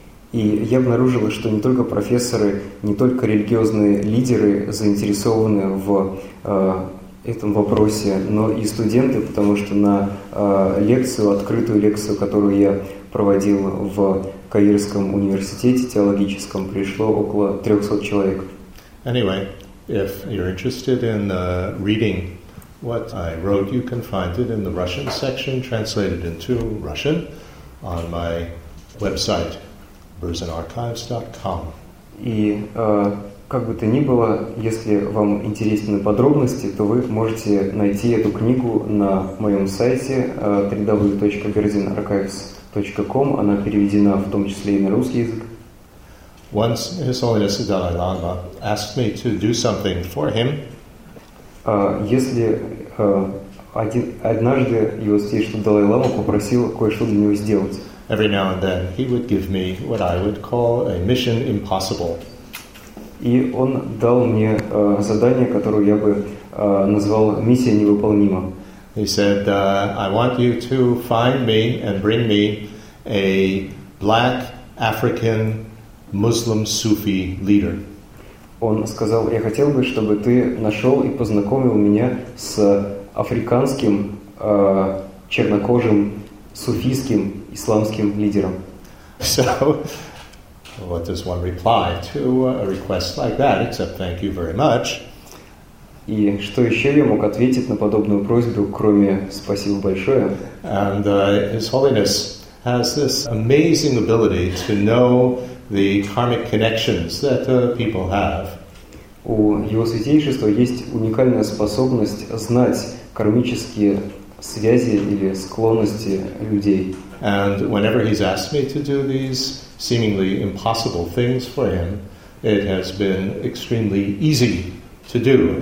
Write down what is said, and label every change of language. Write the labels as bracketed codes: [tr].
[ru] И я обнаружил, что не только профессоры, не только религиозные лидеры заинтересованы в этом вопросе, но и студенты, потому что на лекцию, открытую лекцию, которую я проводил в Каирском университете теологическом, пришло около 300 человек. [en] Anyway, if you're interested in reading what I wrote, you can find it in the Russian section, translated into Russian, on my website. versionarchives.com. [ru] И как бы то ни было, если вам интересны подробности, то вы можете найти эту книгу на моем сайте www.versionarchives.com. Она переведена в том числе и на русский язык. [en] Once His Holiness the Dalai Lama asked me to do something for him. [ru] Однажды Его Святейшество Далай Лама попросил кое-что для него сделать. [en] Every now and then, he would give me what I would call a mission impossible. [ru] И он дал мне задание, которое я бы назвал миссия невыполнима. [en] He said, "I want you to find me and bring me a black African Muslim Sufi leader." [ru] Он сказал, я хотел бы, чтобы ты нашел и познакомил меня с африканским чернокожим суфийским исламским лидером. [en] So, what does one reply to a request like that, except thank you very much? [ru] И что еще я мог ответить на подобную просьбу, кроме спасибо большое? [en] And His Holiness has this amazing ability to know the karmic connections that people have. [ru] У его святейшества есть уникальная способность знать кармические связи или склонности людей. [en] And whenever he's asked me to do these seemingly impossible things for him, it has been extremely easy to do.